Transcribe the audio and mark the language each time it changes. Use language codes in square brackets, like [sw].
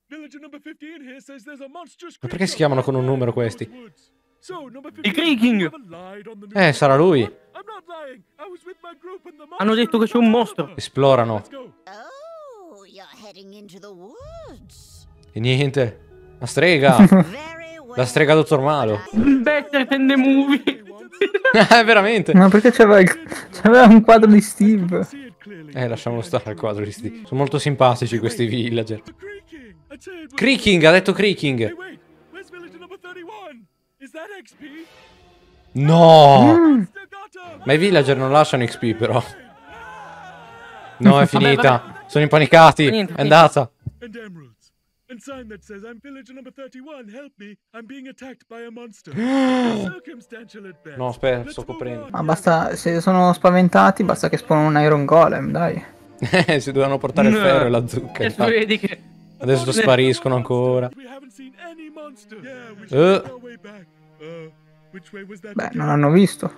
[en] Villager number 15 here says there's a monstrous. [it] Ma perché si chiamano con un numero questi? [en] So, number 15. I Kriking. [it] Sarà lui. Hanno detto che c'è un mostro. Esplorano. [en] Oh, you're heading into the woods. [it] E niente. La strega. La strega Dottor Malo. [en] Better than the movie. [it] Veramente. Ma perché c'aveva un quadro di Steve? Lasciamo stare il quadro di Steve. Sono molto simpatici questi villager. Creaking, ha detto creaking. No. Ma i villager non lasciano XP però. No, è finita. Vabbè. Sono impanicati. È andata. [en] And sign that says I'm villager number 31, help me, I'm being attacked by a monster. Circumstantial at best. No, [it] aspetta, sto coprendo. Ma basta, se sono spaventati, basta che spawnano un iron golem, dai. Si dovevano portare il ferro e la zucca. Adesso vedi che... Adesso spariscono ancora. Beh, non hanno visto.